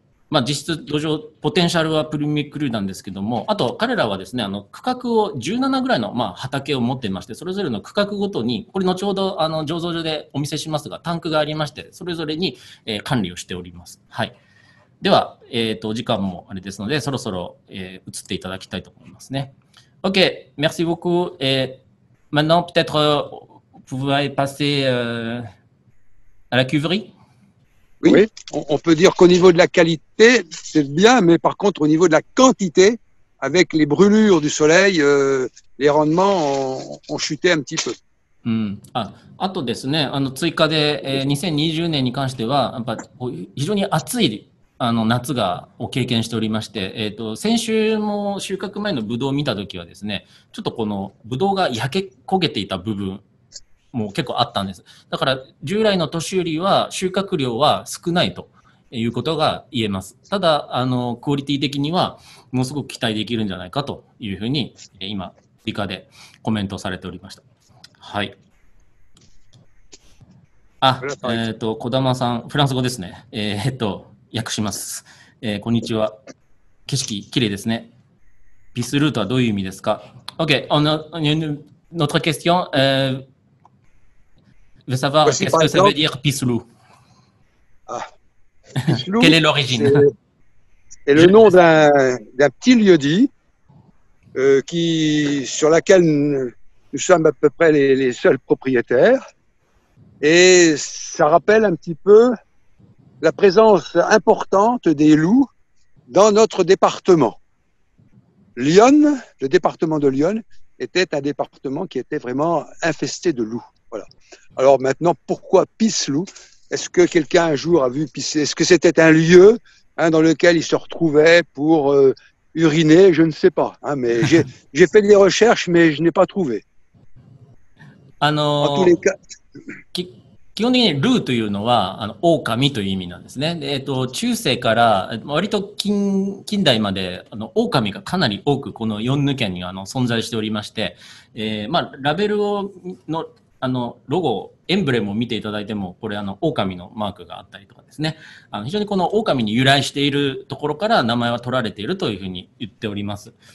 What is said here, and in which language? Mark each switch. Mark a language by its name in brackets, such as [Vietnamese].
[Japanese] まあ、実質土壌ポテンシャルはプリミクルなんですけども、あと彼らはですね、あの区画を17ぐらいの、まあ、畑を持っていまして、それぞれの区画ごとに、これ後ほどあの醸造所でお見せしますが、タンクがありまして、それぞれに、管理をしております。はい、では、時間もあれですので、そろそろ、移っていただきたいと思いますね。 [French] OK merci beaucoup et maintenant peut-être vous pouvez passer à la cuverie。 Oui, on peut dire qu'au niveau de la qualité, c'est bien, mais par contre, au niveau de la quantité, avec les brûlures du soleil, les rendements ont chuté un petit peu. [Japanese] あとですね、あの追加で、2020年に関しては、やっぱ非常に暑いあの夏がを経験しておりまして、先週も収穫前のブドウを見たときはですね、ちょっとこのブドウが焼け焦げていた部分、もう結構あったんです。だから従来の年よりは収穫量は少ないということが言えます。ただあのクオリティ的にはものすごく期待できるんじゃないかというふうに今理科でコメントされておりました。はい、小玉さんフランス語ですね、訳します、こんにちは、景色綺麗ですね。ピスルートはどういう意味ですか。 [French] OK notre question、Je veux savoir ce que ça veut dire Pisslou. Ah. Pisslou, quelle est l'origine ? C'est le nom d'un petit lieu-dit sur lequel nous sommes à peu près les seuls propriétaires. Et ça rappelle un petit peu la présence importante des loups dans notre département. Lyon, le département de Lyon, était un département qui était vraiment infesté de loups. Voilà. Alors maintenant, pourquoi Pisslou ? Est-ce que quelqu'un un jour a vu pisser ? Est-ce que c'était un lieu hein, dans lequel il se retrouvait pour uriner ? Je ne sais pas. Hein, mais j'ai fait des recherches, mais je n'ai pas trouvé. En tous les cas… [Japanese] 基本的にルーというのはあの狼という意味なんですね。中世から割と近代まであの狼がかなり多くこのヨンヌ県にあの存在しておりまして、まあ、ラベルをのあのロゴエンブレムを見ていただいてもこれあの狼のマークがあったりとかですね、あの非常にこの狼に由来しているところから名前は取られているというふうに言っております。